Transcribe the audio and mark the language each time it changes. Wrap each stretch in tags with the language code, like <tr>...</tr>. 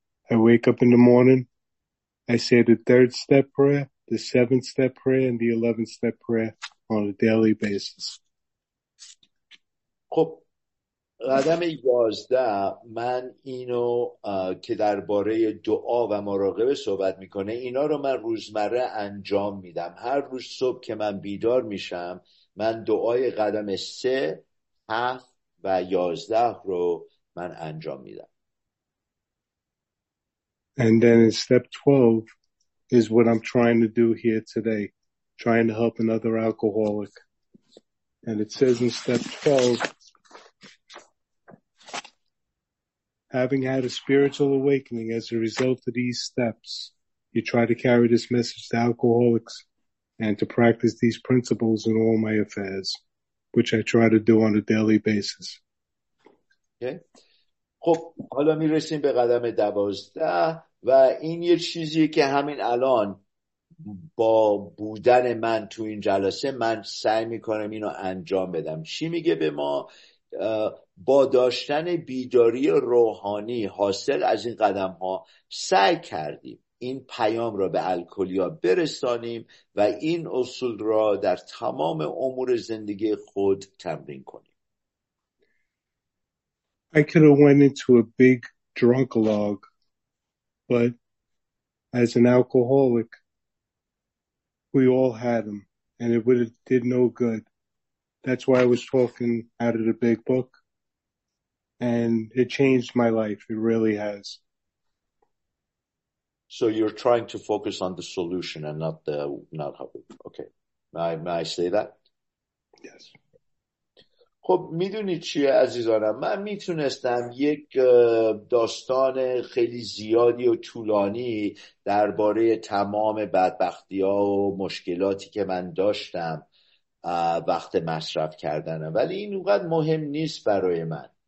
<en>I wake up in the morning, I say the third step prayer, the seventh step prayer, and the 11th step prayer on a daily basis.</en> <fa>خب قدم 11 من اینو که درباره دعا و مراقبه صحبت میکنه، اینا رو من روزمره انجام میدم. هر روز صبح که من بیدار میشم من دعای قدم 3، 7 و 11 رو من انجام میدم.</fa> <en>And then in step 12 is what I'm trying to do here today, trying to help another alcoholic. And it says in step 12, having had a spiritual awakening as a result of these steps, you try to carry this message to alcoholics and to practice these principles in all my affairs, which I try to do on a daily basis. Okay.</en> <fa>خب حالا میرسیم به قدم 12 و این یه چیزیه که همین الان با بودن من تو این جلسه من سعی میکنم اینو انجام بدم. چی میگه به ما؟ با داشتن بیداری روحانی حاصل از این قدم ها سعی کردیم این پیام را به الکلیا برسانیم و این اصول را در تمام امور زندگی خود تمرین کنیم.</fa> <en>I could have went into a big drunk log, but as an alcoholic we all had them and it would have did no good. That's why I was talking out of the big book. And it changed my life. It really has. So you're trying to focus on the solution and not how it... Okay. May I say that? Yes.</en> <fa>خب میدونی چیه عزیزانم؟ من میتونستم یک داستان خیلی زیادی و طولانی درباره تمام بدبختی‌ها و مشکلاتی که من داشتم وقت مصرف کردنم، ولی این اونقدر مهم نیست برای من.</fa>